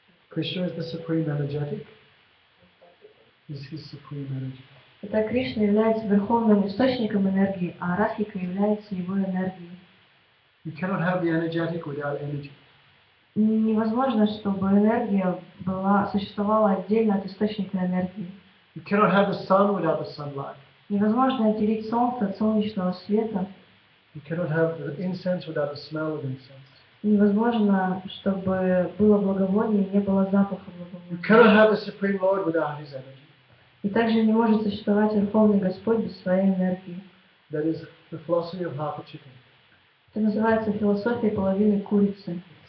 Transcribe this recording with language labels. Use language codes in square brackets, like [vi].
[en] Krishna is the supreme energetic. Is his supreme energy. [ru] Итак, Кришна является верховным источником энергии, а Радхика является его энергией. [en] You cannot have the energetic without energy. [ru] Невозможно, чтобы энергия была существовала отдельно от источника энергии. [en] You cannot have the sun without the sunlight. [ru] Невозможно отделить солнце от солнечного света. [en] You cannot have the incense without the smell of incense. [ru] Невозможно, чтобы было благовоние и не было запаха благовония. [en] You cannot have the supreme Lord without his energy. [ru] И также не может существовать Верховный Господь без своей энергии. [en] That is the philosophy of half a chicken. [ru] Это называется философия половины курицы.